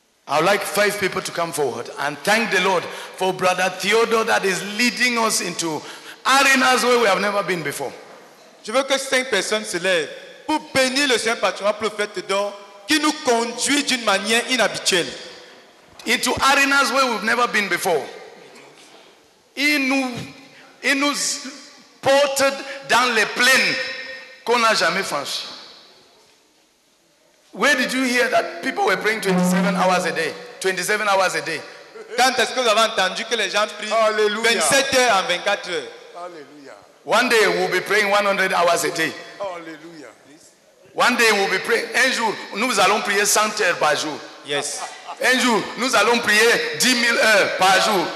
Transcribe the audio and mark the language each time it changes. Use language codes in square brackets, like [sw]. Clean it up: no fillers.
[en] I would like 5 people to come forward and thank the Lord for Brother Theodore that is leading us into arenas where we have never been before. [fr] Je veux que 5 personnes se lèvent pour bénir le Saint Patron, prophète d'or, qui nous conduit d'une manière inhabituelle. [en] Into arenas where we've never been before. [fr] Il nous porte dans les plaines qu'on n'a jamais franchies. [en] Where did you hear that people were praying 27 hours a day? 27 hours a day. [fr] Quand est-ce que vous avez entendu que les gens prient? Alléluia. 27 heures en 24 heures. [en] Alléluia. One day we'll be praying 100 hours a day. [fr] Alléluia. [en] One day we'll be praying. [fr] Un jour, nous allons prier 100 heures par jour. [en] Yes. [fr] Un jour, nous allons prier 10 000 heures par jour.